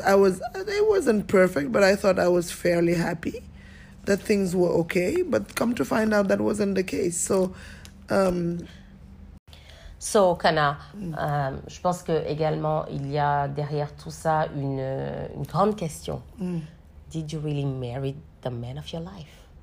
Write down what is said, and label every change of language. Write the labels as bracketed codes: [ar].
[en] It wasn't perfect, but I thought I was fairly happy that things were okay. But come to find out, that wasn't the case. So. [fr] So, Kana, je pense que également il y a derrière tout ça une grande question. [en] Did you really marry the man of your life?